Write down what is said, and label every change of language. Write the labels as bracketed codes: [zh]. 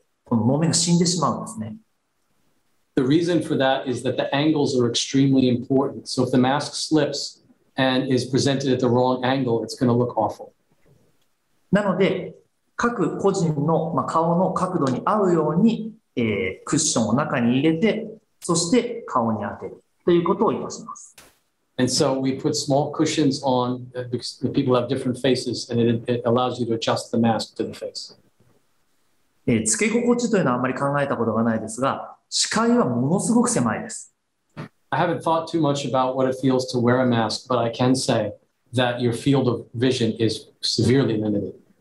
[ja] というのはですね、能面は実は角度というのが非常に大事なので、これ今は多分すごく綺麗に見えてる角度だと思うんですけれども、この能面がガクッと上向いちゃったり、ガクッと下向くと、この能面が死んでしまうんですね。 [en] The reason for that is that the angles are extremely important. So if the mask slips and is presented at the wrong angle, it's going to look awful. [ja] なので、各個人の顔の角度に合うように、クッションを中に入れて、そして顔に当てるということを言います。 [en] And so we put small cushions on because the people have different faces and it allows you to adjust the mask to the face. [ja] つけ心地というのはあんまり考えたことがないですが、 視界はものすごく狭いです。 [en] I haven't thought too much about what it feels to wear a mask, but I can say that your field of vision is severely limited.